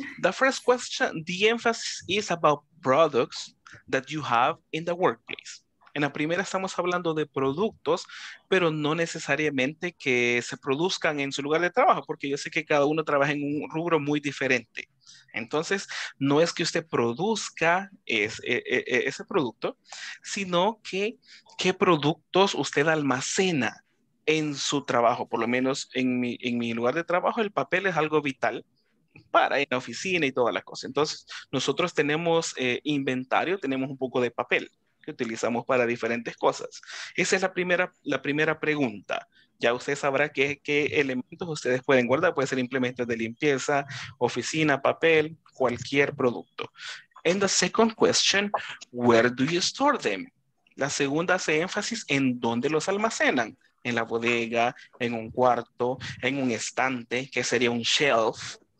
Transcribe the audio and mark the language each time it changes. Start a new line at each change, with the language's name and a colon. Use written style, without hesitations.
English: The first question, the emphasis is about products that you have in the workplace.
Spanish: En la primera estamos hablando de productos, pero no necesariamente que se produzcan en su lugar de trabajo, porque yo sé que cada uno trabaja en un rubro muy diferente. Entonces, no es que usted produzca ese producto, sino que qué productos usted almacena en su trabajo. Por lo menos en mi lugar de trabajo, el papel es algo vital para la oficina y toda la cosa. Entonces, nosotros tenemos inventario, tenemos un poco de papel que utilizamos para diferentes cosas. Esa es la primera pregunta. Ya usted sabrá qué elementos ustedes pueden guardar. Puede ser implementos de limpieza, oficina, papel, cualquier producto.
English: And the second question, where do you store them?
Spanish: La segunda hace énfasis en dónde los almacenan. En la bodega, en un cuarto, en un estante, que sería un shelf.